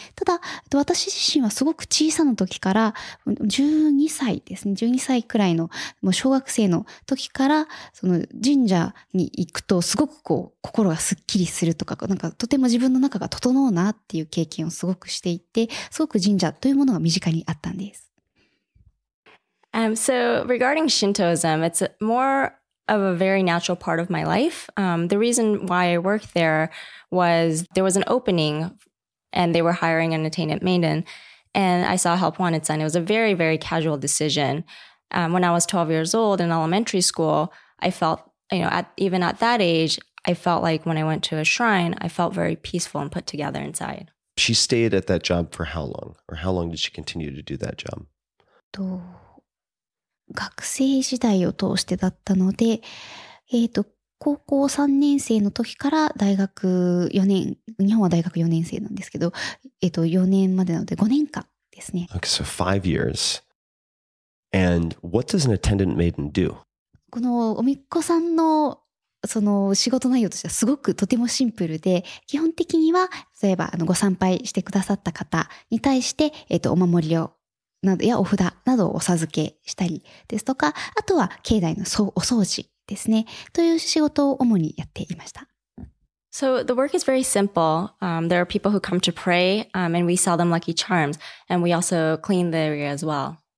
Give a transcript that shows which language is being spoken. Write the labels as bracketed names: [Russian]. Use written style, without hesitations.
[Japanese] ただ私自身はすごく小さな時から12歳ですね、12歳くらいのもう小学生の時から、その神社に行くとすごくこう心がすっきりするとか、なんかとても自分の中が整うなっていう経験をすごくしていて、すごく神社というものが身近にあったんです。 [English] So regarding Shintoism, it's more of a very natural part of my life. The reason why I worked there was there was an opening and they were hiring an attendant maiden. And I saw Help Wanted-san. It was a very, very casual decision. When I was 12 years old in elementary school, I felt, even at that age, I felt like when I went to a shrine, I felt very peaceful and put together inside. She stayed at that job for how long? Or how long did she continue to do that job? Do... [Japanese] 学生時代を通してだったので、高校3年生の時から大学4年、日本は大学4年生なんですけど、4年までなので5年間ですね。 [English] Okay, so 5 years. And what does an attendant maiden do? [Japanese] このおみっこさんのその仕事内容としてはすごくとてもシンプルで、基本的には例えばご参拝してくださった方に対して、お守りをなどやお札などをお授けしたりですとか、あとは境内のお掃除ですね、という仕事を主にやっていました。 [English] So the work is very simple. There are people who come to pray, and we sell them lucky charms, and we also clean the area as well.